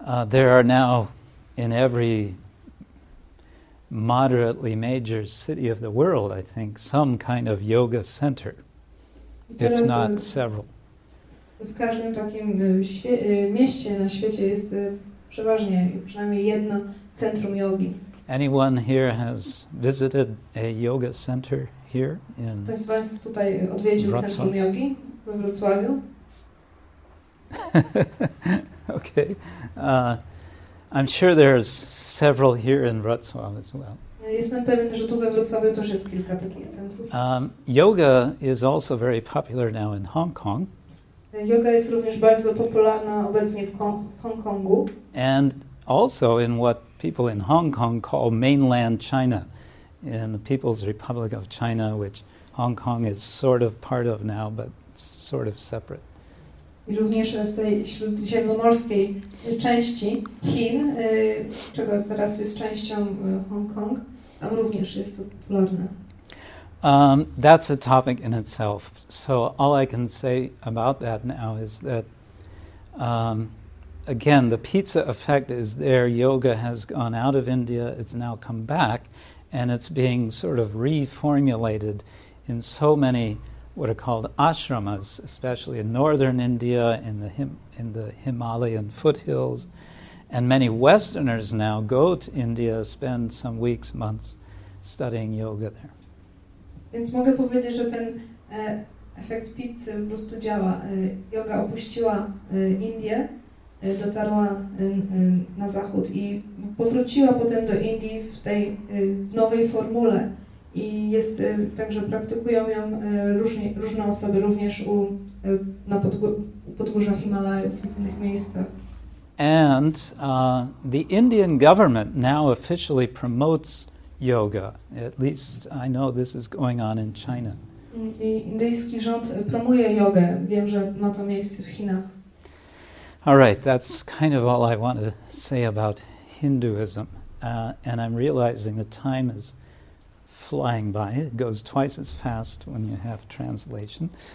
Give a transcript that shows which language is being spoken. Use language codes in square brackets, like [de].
[en] There are now in every moderately major city of the world, I think, some kind of yoga center, if not several. [pl] W każdym takim mieście na świecie jest przeważnie przynajmniej jedno centrum jogi. [en] Anyone here has visited a yoga center here in [pl] Ktoś z Was tutaj odwiedził centrum jogi we Wrocławiu? [en] Okay. I'm sure there's several here in Wrocław as well. [pl] Jestem pewien, że tu we Wrocławiu też jest kilka takich centrów. [en] Yoga is also very popular now in Hong Kong. [pl] Yoga jest również bardzo popularna obecnie w Hongkongu. [en] And also in what people in Hong Kong call mainland China, in the People's Republic of China, which Hong Kong is sort of part of now, but sort of separate. [pl] I również w tej śródziemnomorskiej części Chin, czego teraz jest częścią Hong Kong, tam również jest to popularne. [en] That's a topic in itself. So all I can say about that now is that, again, the pizza effect is there. Yoga has gone out of India. It's now come back, and it's being sort of reformulated in so many what are called ashramas, especially in northern India, in the Himalayan foothills. And many Westerners now go to India, spend some weeks, months studying yoga there. [pl] Więc mogę powiedzieć, że ten efekt pizzy po prostu działa. Yoga opuściła Indię, dotarła na zachód i powróciła potem do Indii w tej nowej formule. I jest także praktykują ją różne osoby, również na podwórzu Himalajów, w innych miejscach. [en] And the Indian government now officially promotes yoga. At least I know this is going on in China. [pl] I indyjski rząd promuje jogę. Wiem, że ma to miejsce w Chinach. [en] All right, that's kind of all I want to say about Hinduism. And I'm realizing the time is flying by. It goes twice as fast when you have translation.